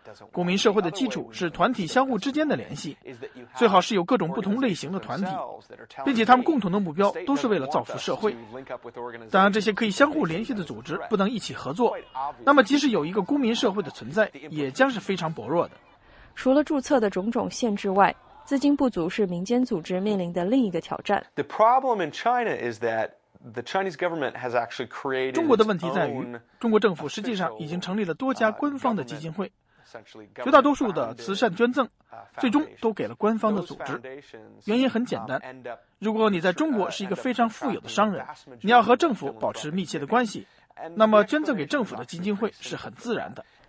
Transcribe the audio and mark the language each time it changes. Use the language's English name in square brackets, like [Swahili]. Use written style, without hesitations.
[Chinese] 公民社会的基础是团体相互之间的联系，最好是有各种不同类型的团体，并且他们共同的目标都是为了造福社会。当这些可以相互联系的组织不能一起合作，那么即使有一个公民社会的存在也将是非常薄弱的。除了注册的种种限制外，资金不足是民间组织面临的另一个挑战。 [English] The problem in China is that the Chinese government has actually created. [Chinese] 中国的问题在于，中国政府实际上已经成立了多家官方的基金会，绝大多数的慈善捐赠最终都给了官方的组织。原因很简单，如果你在中国是一个非常富有的商人，你要和政府保持密切的关系，那么捐赠给政府的基金会是很自然的。